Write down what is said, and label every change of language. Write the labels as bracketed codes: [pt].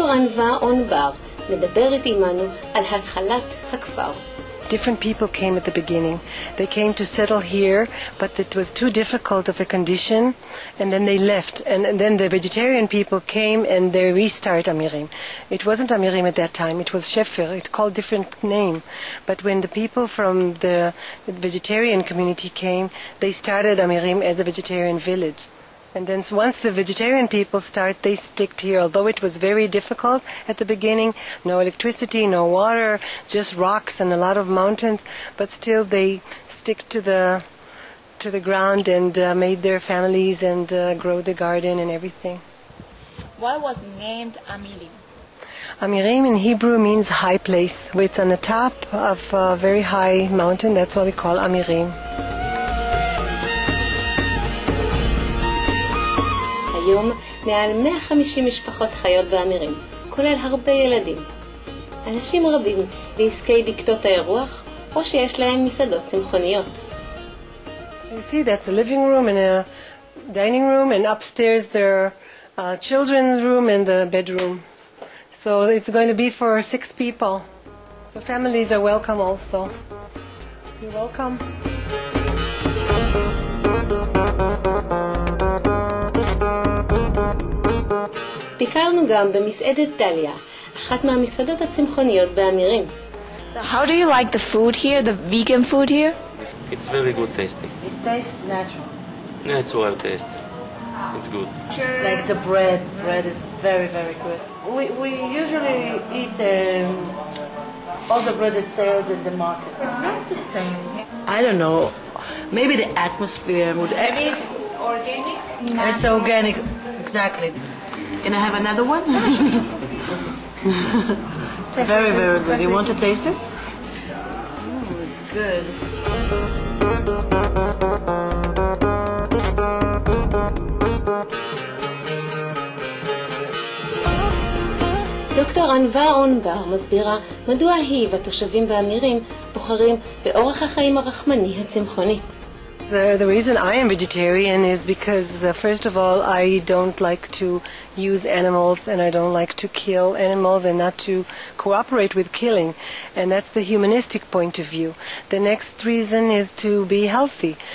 [he] ענווה אונבר מדברת עמנו על התחלת הכפר. [en] Different people came at the beginning. They came to settle here, but it was too difficult of a condition, and then they left. And then the vegetarian people came, and they restarted Amirim. It wasn't Amirim at that time. It was Shefer. It called different name. But when the people from the vegetarian community came, they started Amirim as a vegetarian village. And then once the vegetarian people start, they sticked here. Although it was very difficult at the beginning, no electricity, no water, just rocks and a lot of mountains, but still they stick to the ground and made their families and grow the garden and everything. Why was it named Amirim? Amirim in Hebrew means high place. It's on the top of a very high mountain. That's why we call Amirim. [he] היום מעל 150 משפחות חיות באמירים, כולל הרבה ילדים. אנשים רבים בעסקי בקתות האירוח, או שיש להם מסעדות צמחוניות. [en] So you see, that's a living room and a dining room, and upstairs there are children's room and the bedroom. So it's going to be for 6 people. So families are welcome also. You're welcome. [he] ביקרנו גם במסעדת דליה, אחת מהמסעדות הצמחוניות באמירים. [en] So how do you like the food here, the vegan food here? It's very good tasting. taste natural. Yeah, it's well taste. It's good. Cheers. Like the bread. Bread is very, very good. We usually eat all the bread that sells in the market. It's not the same. I don't know. Maybe the atmosphere would... Maybe it's organic. No. It's organic. Exactly. Can I have another one? It's very, very good. Do you want to taste it? Oh, it's good. [he] דוקטור ענווה אונבר מסבירה מדוע היא והתושבים באמירים בוחרים באורח החיים הרחמני הצמחוני. [en] The reason I am vegetarian is because, first of all, I don't like to use animals and I don't like to kill animals and not to cooperate with killing. And that's the humanistic point of view. The next reason is to be healthy.